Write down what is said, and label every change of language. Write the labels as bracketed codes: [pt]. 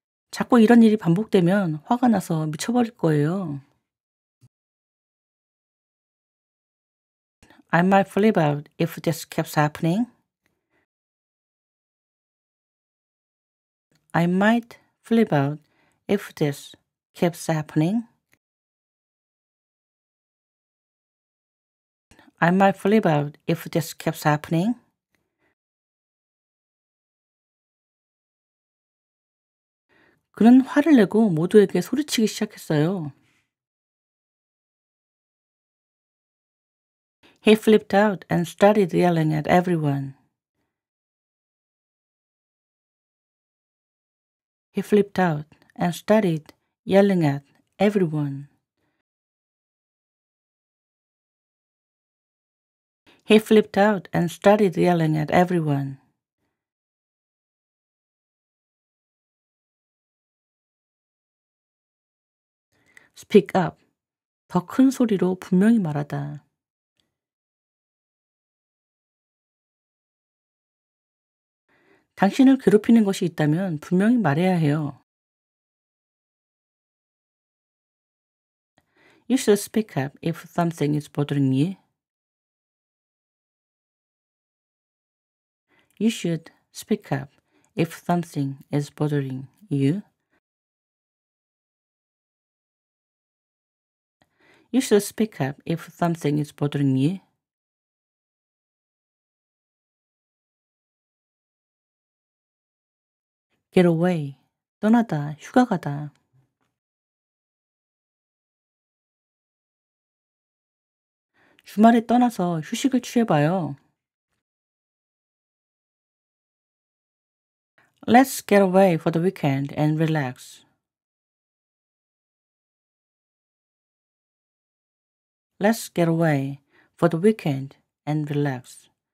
[ko] 자꾸 이런 일이 반복되면 화가 나서 미쳐버릴 거예요. [en] I might flip out if this keeps happening. I might flip out if this keeps happening. I might flip out if this keeps happening. [ko] 그는 화를 내고 모두에게 소리치기 시작했어요. [en] He flipped out and started yelling at everyone. He flipped out and started yelling at everyone. He flipped out and started yelling at everyone. Speak up. [ko] 더 큰 소리로 분명히 말하다. "당신을 괴롭히는 것이 있다면 분명히 말해야 해요." [en] "You should speak up if something is bothering you." "You should speak up if something is bothering you." "You should speak up if something is bothering you." [ko] 게로웨이, 떠나다, 휴가 가다. "주말에 떠나서 휴식을 취해봐요." [en] "Let's get away for the weekend and relax." "Let's get away for the weekend and relax."